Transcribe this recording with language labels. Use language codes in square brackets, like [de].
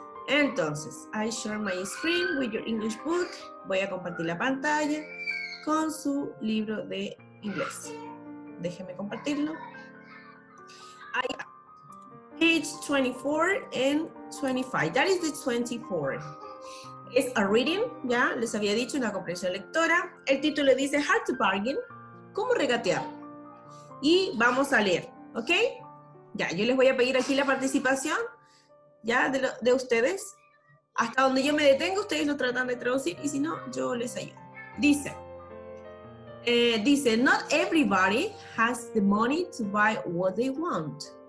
[es] Entonces, [en] I share my screen with your English book. [es] Voy a compartir la pantalla con su libro de inglés. Déjeme compartirlo. [en] Page 24 and 25. That is the 24. It's a reading, [es] ¿ya? Les había dicho, una comprensión lectora. El título dice, [en] How to bargain. [es] ¿Cómo regatear? Y vamos a leer, ¿ok? Ya, yo les voy a pedir aquí la participación, ¿ya? De ustedes. Hasta donde yo me detengo, ustedes lo tratan de traducir, y si no, yo les ayudo. Dice, [en] not everybody has the money to buy what they want.